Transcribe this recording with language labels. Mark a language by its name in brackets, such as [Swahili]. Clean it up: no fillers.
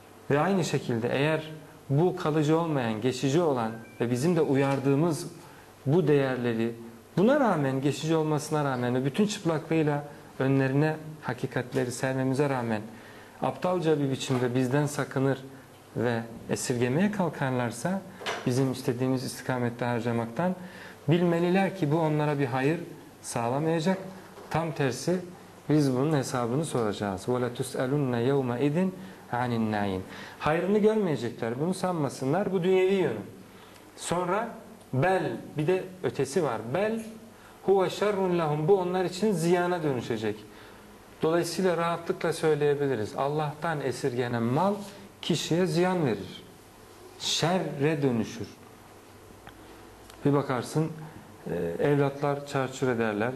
[Turkish] Ve aynı şekilde eğer bu kalıcı olmayan, geçici olan ve bizim de uyardığımız bu değerleri, buna rağmen, geçici olmasına rağmen ve bütün çıplaklığıyla önlerine hakikatleri sermemize rağmen aptalca bir biçimde bizden sakınır ve esirgemeye kalkarlarsa, bizim istediğimiz istikamette harcamaktan, bilmeliler ki bu onlara bir hayır sağlamayacak. Tam tersi, biz bunun hesabını soracağız. [Arabic] وَلَتُسْأَلُنَّ يَوْمَ اِذٍ عَنِ النَّعِينَ [Turkish] Hayrını görmeyecekler, bunu sanmasınlar. Bu dünyevi yönü. Sonra bel, bir de ötesi var. [Arabic] Bel huve şerrun lahum, [Turkish] bu onlar için ziyana dönüşecek. Dolayısıyla rahatlıkla söyleyebiliriz. Allah'tan esirgenen mal kişiye ziyan verir. Şerre dönüşür. Bir bakarsın evlatlar çarçur ederler.